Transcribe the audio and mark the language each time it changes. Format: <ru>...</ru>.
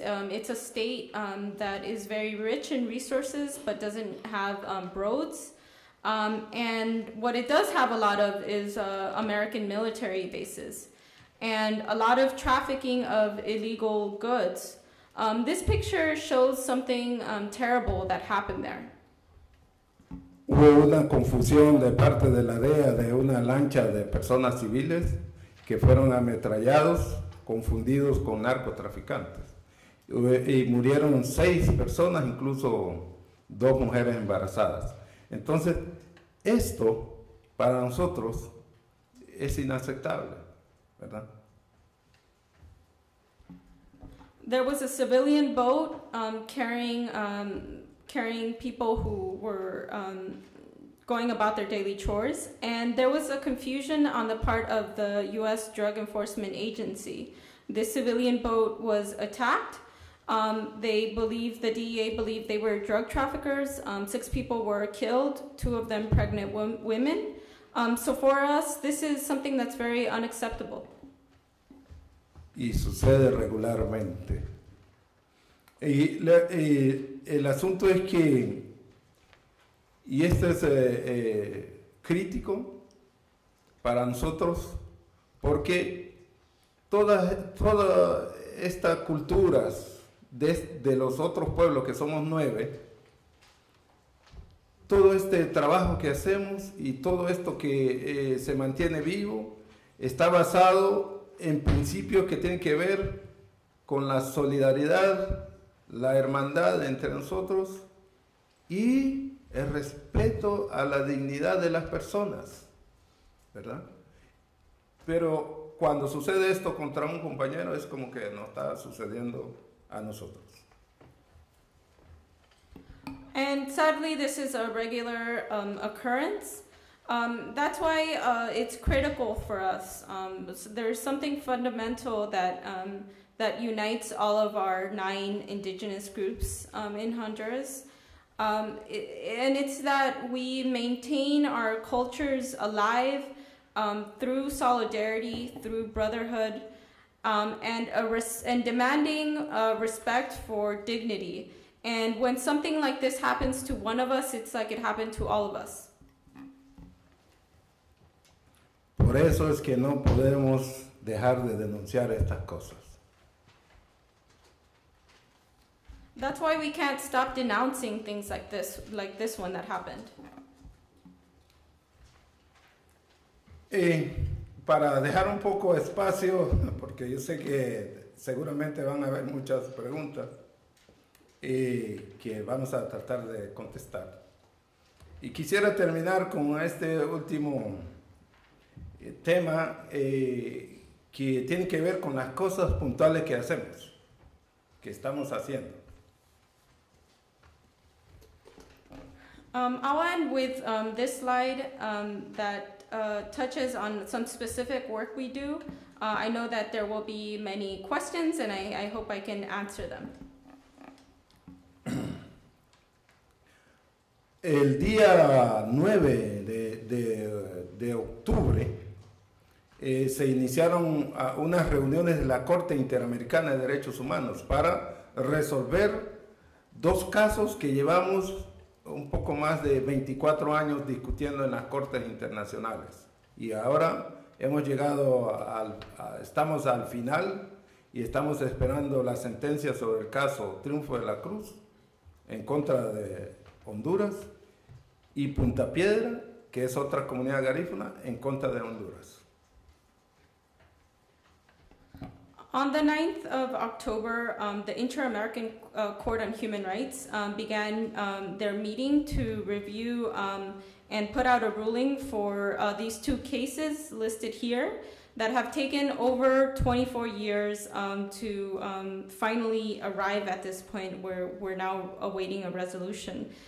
<en>It's a state that is very rich in resources but doesn't have roads. And what it does have a lot of is American military bases and a lot of trafficking of illegal goods. This picture shows something terrible that happened there.</en> <es>Hubo una confusión de parte de la DEA de una lancha de personas civiles que fueron ametrallados, confundidos con narcotraficantes. Y murieron 6 personas, incluso 2 mujeres embarazadas. Entonces, esto para nosotros es inaceptable, ¿verdad?</es> <en>There was a civilian boat carrying people who were going about their daily chores, and there was a confusion on the part of the U.S. Drug Enforcement Agency. This civilian boat was attacked. The DEA believed they were drug traffickers. 6 people were killed, 2 of them pregnant women. So for us, this is something that's very unacceptable.</en> <es>Y sucede regularmente. El asunto es que y esto es crítico, para nosotros, porque toda esta culturas de los otros pueblos, que somos 9, todo este trabajo que hacemos y todo esto que se mantiene vivo está basado en principios que tienen que ver con la solidaridad, la hermandad entre nosotros y el respeto a la dignidad de las personas, ¿verdad? Pero cuando sucede esto contra un compañero, es como que no está sucediendo a nosotros.</es> <en>And sadly, this is a regular occurrence. That's why it's critical for us. So there's something fundamental that that unites all of our 9 indigenous groups in Honduras. And it's that we maintain our cultures alive through solidarity, through brotherhood, and demanding respect for dignity. And when something like this happens to one of us, it's like it happened to all of us.</en> <es>Por eso es que no podemos dejar de denunciar estas cosas.</es> <en>That's why we can't stop denouncing things like this one that happened.</en> <es>Y para dejar un poco espacio, porque yo sé que seguramente van a haber muchas preguntas y que vamos a tratar de contestar. Y quisiera terminar con este último tema que tiene que ver con las cosas puntuales que hacemos, que estamos haciendo.</es> <en>I'll end with this slide that touches on some specific work we do. I know that there will be many questions, and I hope I can answer them.</en> <es>El día 9 de octubre se iniciaron unas reuniones de la Corte Interamericana de Derechos Humanos para resolver 2 casos que llevamos un poco más de 24 años discutiendo en las cortes internacionales. Y ahora hemos llegado estamos al final y estamos esperando la sentencia sobre el caso Triunfo de la Cruz en contra de Honduras y Punta Piedra, que es otra comunidad garífuna, en contra de Honduras.</es> <en>On the 9th of October, the Inter-American Court on Human Rights began their meeting to review and put out a ruling for these 2 cases listed here that have taken over 24 years to finally arrive at this point where we're now awaiting a resolution.</en>